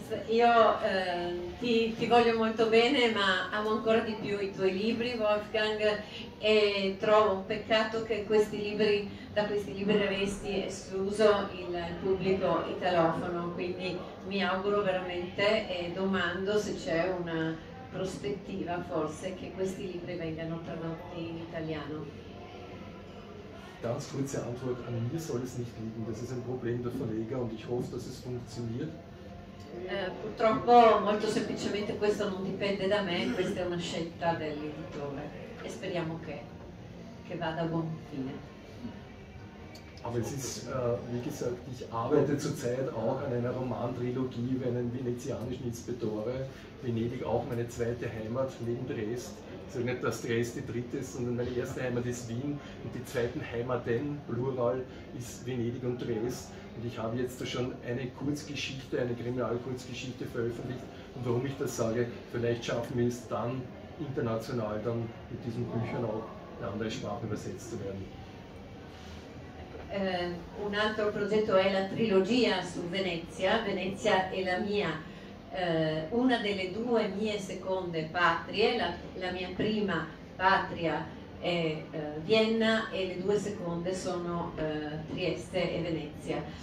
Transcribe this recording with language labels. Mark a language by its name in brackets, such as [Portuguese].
[Italian] Io ti voglio molto bene, ma amo ancora di più i tuoi libri, Wolfgang, e trovo un peccato che questi libri, da questi libri resti escluso il pubblico italofono, quindi mi auguro veramente e domando se c'è una prospettiva forse che questi libri vengano tradotti in italiano. [German] Ganz kurze Antwort, an mir soll es nicht liegen, das ist ein Problem der Verleger, und ich hoffe, dass es funktioniert. [Italian] Purtroppo, molto semplicemente, questo non dipende da me, questa è una scelta dell'editore, e speriamo che vada a buon fine. [German] Aber es ist, wie gesagt, ich arbeite zurzeit auch an einer Romantrilogie über einen venezianischen Inspettore. Venedig auch meine zweite Heimat neben Dresd. Ich sage nicht, dass Dresd die dritte ist, sondern meine erste Heimat ist Wien. Und die zweiten Heimaten, Plural, ist Venedig und Dresd. Und ich habe jetzt da schon eine Kurzgeschichte, eine Kriminalkurzgeschichte veröffentlicht. Und warum ich das sage, vielleicht schaffen wir es dann international dann mit diesen Büchern auch in andere Sprachen übersetzt zu werden. [Italian] Un altro progetto è la trilogia su Venezia, Venezia è la mia, una delle due mie seconde patrie, la mia prima patria è Vienna e le due seconde sono Trieste e Venezia.